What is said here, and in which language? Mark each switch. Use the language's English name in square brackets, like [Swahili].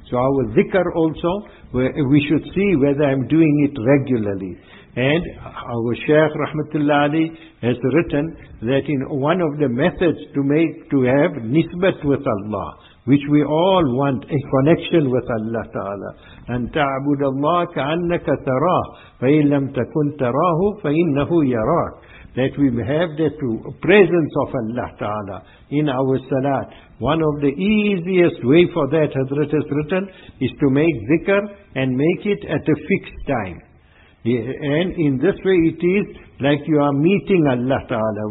[English] So our dhikr also, we should see whether I'm doing it regularly. And our Shaykh Rahmatullah Ali has written that in one of the methods to have nisbat with Allah, which we all want, a connection with Allah Ta'ala. [Arabic] أن تعبد الله كأنك تراه فإن لم تكن تراه فإنه يراك. [English] That we have the presence of Allah Ta'ala in our salat. One of the easiest way for that, Hazrat has written, is to make dhikr and make it at a fixed time. And in this way it is like you are meeting Allah Ta'ala.